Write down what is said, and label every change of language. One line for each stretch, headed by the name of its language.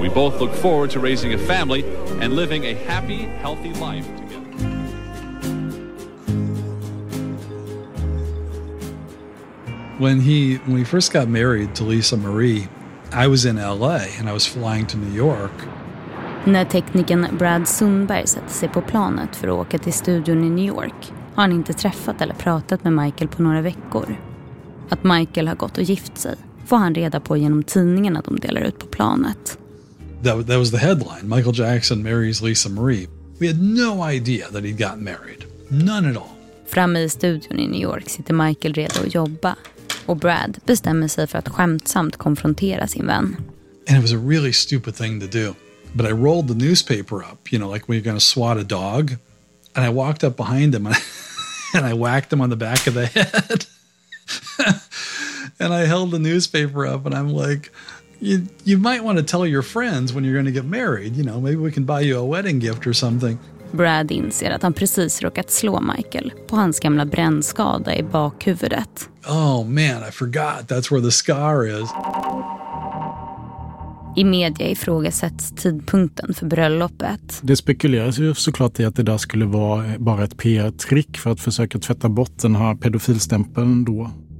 English: We both look forward to raising a family and living a happy, healthy life together." When we first got married to Lisa Marie, I was in LA and I was flying to New York.
Swedish: När tekniken Brad Sundberg satte sig på planet för att åka till studion i New York har han inte träffat eller pratat med Michael på några veckor. Att Michael har gått och gift sig får han reda på genom tidningarna de delar ut på planet.
English: That was the headline. Michael Jackson marries Lisa Marie. We had no idea that he'd gotten married. None at all.
Swedish: Framme i studion i New York sitter Michael redo att jobba. Och Brad bestämmer sig för att skämtsamt konfrontera sin vän.
English: And it was a really stupid thing to do. But I rolled the newspaper up, you know, like when you're going to swat a dog. And I walked up behind him and I whacked him on the back of the head. And I held the newspaper up and I'm like, you might want to tell your friends when you're going to get married. You know, maybe we can buy you a wedding gift or something.
Swedish: Brad inser att han precis råkat slå Michael på hans gamla brännskada i bakhuvudet.
English: Oh man, I forgot. That's where the scar is.
Swedish: I media ifrågasätts tidpunkten för bröllopet. Det spekuleras ju såklart i att det där skulle vara bara ett PR-trick för att försöka tvätta bort den här pedofilstämpeln då.